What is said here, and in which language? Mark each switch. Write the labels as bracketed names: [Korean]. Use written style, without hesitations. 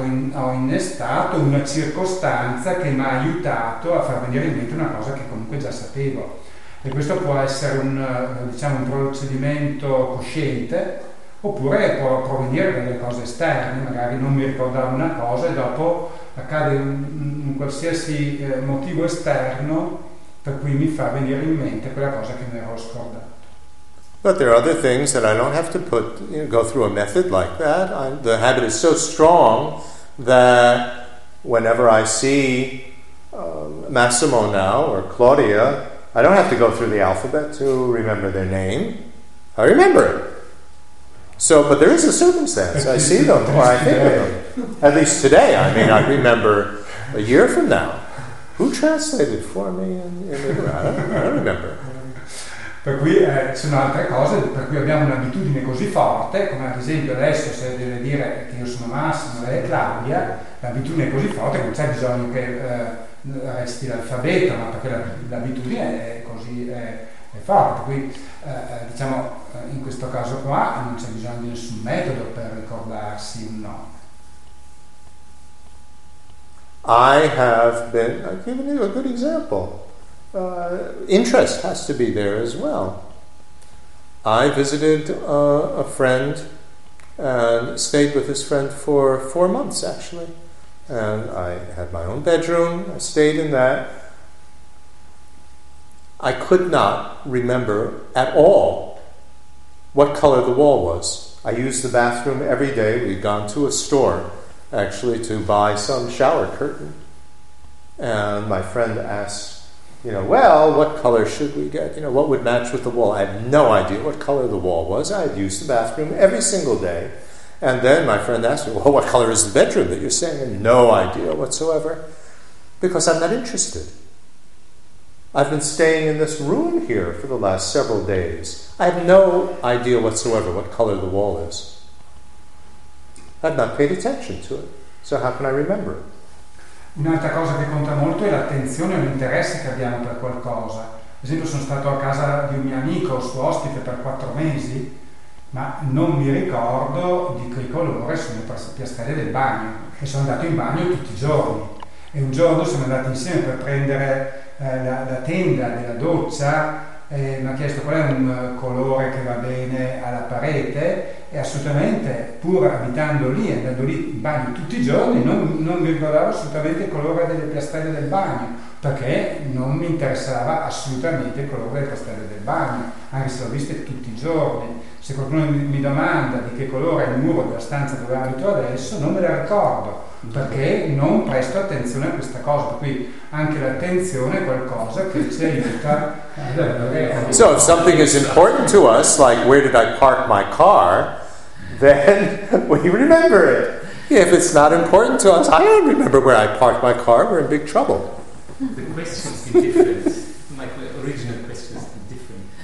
[Italian] Ho innestato una circostanza che mi ha aiutato a far venire in mente una cosa che comunque già sapevo, e questo può essere un procedimento cosciente oppure può provenire da delle cose esterne, magari non mi ricordavo una cosa e dopo accade un qualsiasi motivo esterno per cui mi fa venire in mente quella cosa che mi ero scordato. [English] But there are other things that I don't have to put, you know, go through a method like that. The habit is so strong that whenever I see Massimo now or Claudia, I don't have to go through the alphabet to remember their name. I remember it. So, but there is a circumstance. I see them or I think of them. At least today, I may not remember a year from now. Who translated for me in the Iran? I don't remember. [Italian] Per cui ci sono altre cose per cui abbiamo un'abitudine così forte, come ad esempio adesso se deve dire che io sono Massimo e Claudia, l'abitudine è così forte che non c'è bisogno che resti l'alfabeto, ma perché l'abitudine è così è forte. Qui diciamo in questo caso qua non c'è bisogno di nessun metodo per ricordarsi un nome. [English] I have been, I've given you a good example. Interest has to be there as well. I visited a friend and stayed with his friend for 4 months actually, and I had my own bedroom. I stayed in that. I could not remember at all what color the wall was. I used the bathroom every day. We'd gone to a store actually to buy some shower curtain, and my friend asked, you know, well, what color should we get? You know, what would match with the wall? I had no idea what color the wall was. I had used the bathroom every single day. And then my friend asked me, well, what color is the bedroom that you're staying in? No idea whatsoever. Because I'm not interested. I've been staying in this room here for the last several days. I have no idea whatsoever what color the wall is. I've not paid attention to it. So how can I remember it? [Italian] Un'altra cosa che conta molto è l'attenzione e l'interesse che abbiamo per qualcosa. Ad esempio, sono stato a casa di un mio amico, suo ospite, per 4 mesi, ma non mi ricordo di che colore sono le piastrelle del bagno. E sono andato in bagno tutti i giorni. E un giorno siamo andati insieme per prendere la tenda della doccia e mi ha chiesto qual è un colore che va bene alla parete. E assolutamente, pur abitando lì, andando lì in bagno tutti i giorni, non mi ricordavo assolutamente il colore delle piastrelle del bagno, perché non mi interessava assolutamente il colore delle piastrelle del bagno, anche se l'ho viste tutti i giorni. Se qualcuno mi domanda di che colore è il muro della stanza dove abito adesso, non me la ricordo, perché non presto attenzione a questa cosa. Qui anche l'attenzione è qualcosa che ci aiuta. [English] So if something is important to us, like where did I park my car, then we remember it. If it's not important to us, I don't remember where I parked my car, we're in big trouble. The question is different. My original question is different.